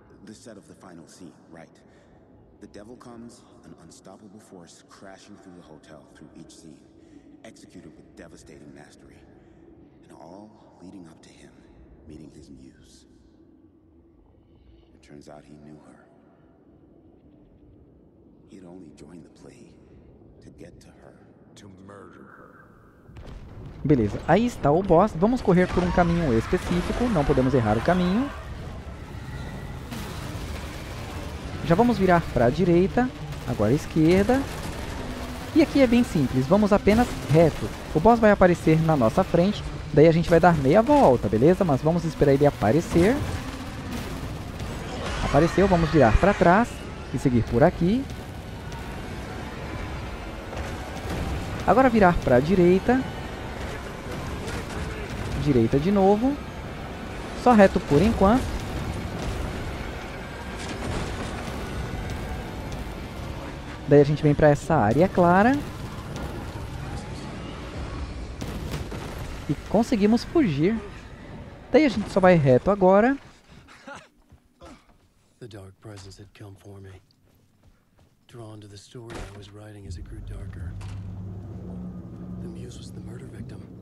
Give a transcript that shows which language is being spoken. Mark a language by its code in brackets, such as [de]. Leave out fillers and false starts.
[en] The set of the final scene, right. The devil comes, an unstoppable force crashing through the hotel through each scene, executed with devastating mastery, and all leading up to him meeting his muse. It turns out he knew her. He'd only joined the play to get to her. To murder her. [pt] Beleza, aí está o boss. Vamos correr por um caminho específico, não podemos errar o caminho. Já vamos virar para a direita, agora a esquerda. E aqui é bem simples, vamos apenas reto. O boss vai aparecer na nossa frente, daí a gente vai dar meia volta, beleza? Mas vamos esperar ele aparecer. Apareceu, vamos virar para trás e seguir por aqui. Agora virar para a direita. Direita de novo. Só reto por enquanto. Daí a gente vem para essa área clara. E conseguimos fugir. Daí a gente só vai reto agora. [en] A dark presence had come for me. Drawn to the story I was writing as it grew darker. The muse was the murder victim.